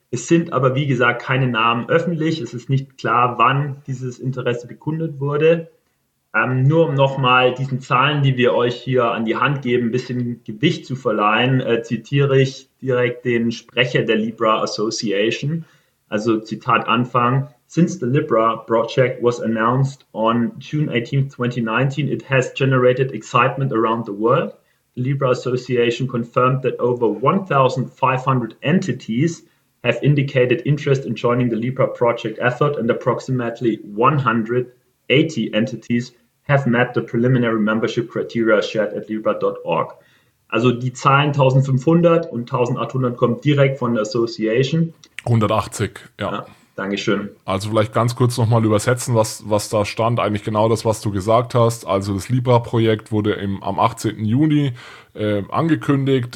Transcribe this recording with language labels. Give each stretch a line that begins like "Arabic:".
German: Es sind aber, wie gesagt, keine Namen öffentlich. Es ist nicht klar, wann dieses Interesse bekundet wurde. Nur um nochmal diesen Zahlen, die wir euch hier an die Hand geben, ein bisschen Gewicht zu verleihen, zitiere ich direkt den Sprecher der Libra Association. Also Zitat Anfang:
English: Since the Libra project was announced on June 18, 2019, it has generated excitement around the world. The Libra Association confirmed that over 1,500 entities have indicated interest in joining the Libra project effort and approximately 180 entities have met the preliminary membership criteria shared at Libra.org.
German: Also die Zahlen 1500 und 1800 kommen direkt von der Association. 180, ja. Dankeschön. Also vielleicht ganz kurz nochmal übersetzen, was da stand. Eigentlich genau das, was du gesagt hast. Also das Libra-Projekt wurde am 18. Juni angekündigt.